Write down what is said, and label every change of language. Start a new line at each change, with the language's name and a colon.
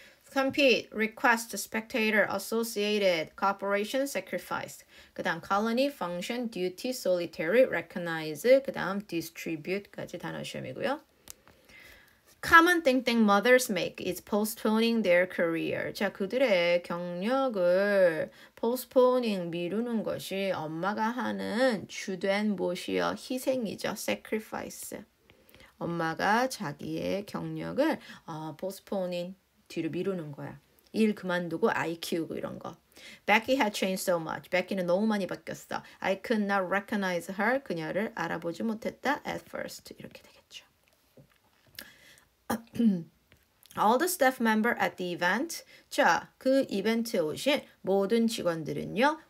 English: compete, request, spectator, associated, cooperation, sacrifice.
Korean: 그 다음 colony, function, duty, solitary, recognize, 그 다음 distribute까지 단어 시험이고요.
English: Common thing that mothers make is postponing their career.
Korean: 자, 그들의 경력을 postponing, 미루는 것이 엄마가 하는 주된 무엇이여? 희생이죠. Sacrifice. 엄마가 자기의 경력을 postponing, 뒤로 미루는 거야. 일 그만두고 아이 키우고 이런 거.
English: Becky had changed so much.
Korean: Becky는 너무 많이 바뀌었어.
English: I could not recognize her.
Korean: 그녀를 알아보지 못했다.
English: At first.
Korean: 이렇게 되겠죠.
English: All the staff members at the event.
Korean: 자, 그 이벤트에 오신 모든 직원들은요.